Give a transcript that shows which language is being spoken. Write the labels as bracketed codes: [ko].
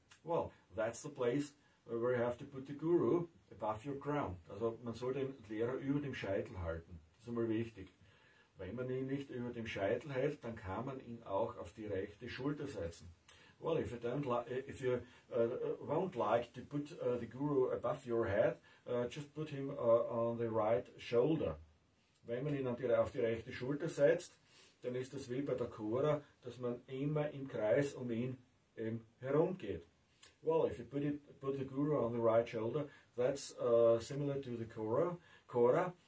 [en] Well, that's the place where you have to put the Guru above your crown. [de] Also man soll den Lehrer über dem Scheitel halten. Das ist einmal wichtig. Wenn man ihn nicht über dem Scheitel hält, dann kann man ihn auch auf die rechte Schulter setzen. [en] Well, if you won't like to put the Guru above your head, just put him on the right shoulder. [de] Wenn man ihn auf die rechte Schulter setzt, dann ist das wie bei der Kora, dass man immer im Kreis um ihn herumgeht. [en] Well, if you put the Guru on the right shoulder, that's similar to the Kora.